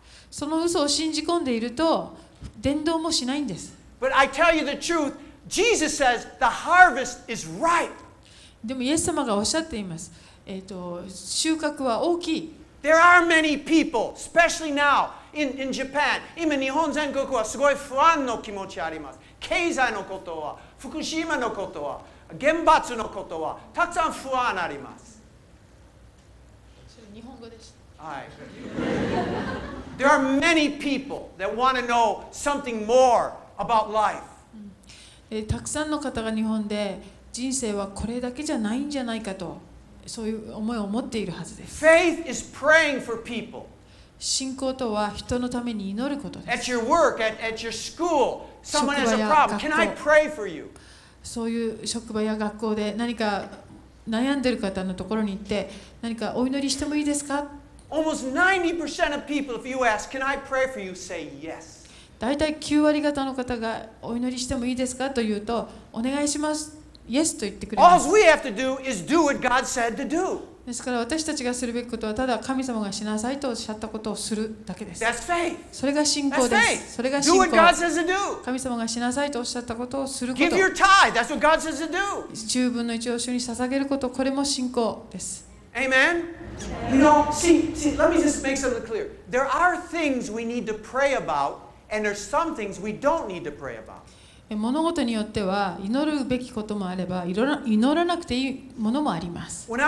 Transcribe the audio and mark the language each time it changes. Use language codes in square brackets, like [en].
[ja] その嘘を信じ込んでいると伝道もしないんです。 [en] But I tell you the truth, Jesus says the harvest is ripe. [ja] でもイエス様がおっしゃっています。収穫は大きい。 [en] There are many people, especially now in Japan. [ja] 今日本全国はすごい不安の気持ちあります。経済のことは、福島のことは。原発のことはたくさん不安あります。それ日本語でした。はい。 [en] There are many people that want to know something more about life. [ja] たくさんの方が日本で人生はこれだけじゃないんじゃないかと、そういう思いを持っているはずです。 [en] Faith is praying for people. [ja] 信仰とは人のために祈ることです。 [en] At your work, at your school, someone has a problem. Can I pray for you? [ja] そういう職場や学校で何か悩んでる方のところに行って何かお祈りしてもいいですか？ [en] Almost 90% of people, if you ask, can I pray for you, say yes. [ja] だいたい9割方の方がお祈りしてもいいですかというとお願いします。 Yes と言ってくれます。 [en] All we have to do is do what God said to do. [ja] ですから私たちがするべきことはただ神様がしなさいとおっしゃったことをするだけです。 [en] That's faith. [ja] それが信仰です。それが信仰。 [en] Do what God says to do. [ja] 神様がしなさいとおっしゃったことをすること。 [en] Give your tithe. That's what God says to do. [ja] 十分の一を主に捧げること、これも信仰です。 [en] Amen. You know, see, let me just make something clear. There are things we need to pray about, and there's some things we don't need to pray about. [ja] 物事によっては祈るべきこともあれば祈らなくていいものもあります。